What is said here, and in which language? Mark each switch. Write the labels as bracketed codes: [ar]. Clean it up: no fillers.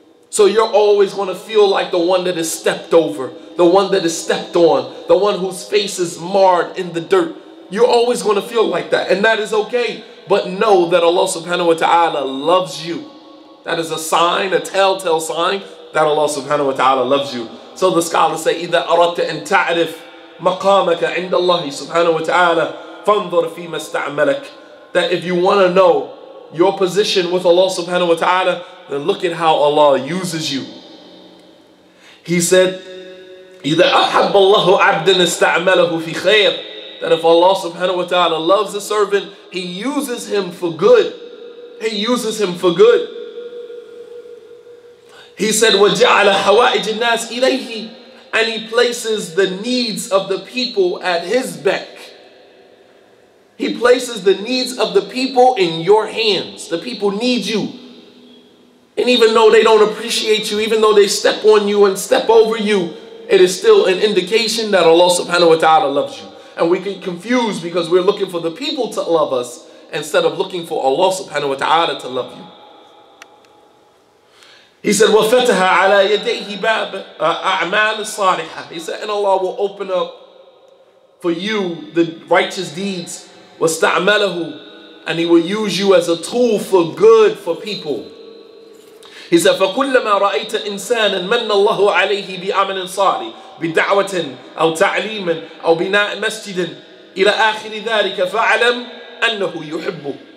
[en] So you're always going to feel like the one that is stepped over, the one that is stepped on, the one whose face is marred in the dirt. You're always going to feel like that, and that is okay. But know that Allah subhanahu wa ta'ala loves you. That is a sign, a telltale sign that Allah subhanahu wa ta'ala loves you. [ar] So the scholars say, إِذَا أَرَدْتَ أَن تَعْرِفْ مَقَامَكَ عِنْدَ اللَّهِ سُبْحَانَهُ وَتَعَالَى فَانْظُرْ فِي مَا اسْتَعْمَلَكَ. [en] That if you want to know your position with Allah subhanahu wa ta'ala, then look at how Allah uses you. [ar] He said, إِذَا أَحَبَّ اللَّهُ عَبْدًا اسْتَعْمَلَهُ فِي خَيْرٍ. [en] That if Allah subhanahu wa ta'ala loves a servant, He uses him for good. He uses him for good. [ar] He said, وَجَعَلَ حَوَائِجِ النَّاسِ إِلَيْهِ. [en] And He places the needs of the people at His beck. He places the needs of the people in your hands. The people need you. And even though they don't appreciate you, even though they step on you and step over you, it is still an indication that Allah subhanahu wa ta'ala loves you. And we get confused because we're looking for the people to love us instead of looking for Allah subhanahu wa ta'ala to love you. [ar] He said, وَفَتَهَا عَلَى يَدَيْهِ بَابَ أَعْمَالِ الصَّالِحَةِ. [en] He said, and Allah will open up for you the righteous deeds. [ar] وَاسْتَعْمَلَهُ. [en] And He will use you as a tool for good for people. [ar] He said, فَكُلَّمَا رَأَيْتَ إِنسَانًا مَنَّ اللَّهُ عَلَيْهِ بِعَمَلٍ صَالِحٍ بِدَعْوَةٍ أَوْ تَعْلِيمٍ أَوْ بِنَاءِ مَسْجِدٍ إِلَىٰ آخِرِ ذَلِكَ فَعَلَمْ أَنَّهُ يُحِبُّهُ.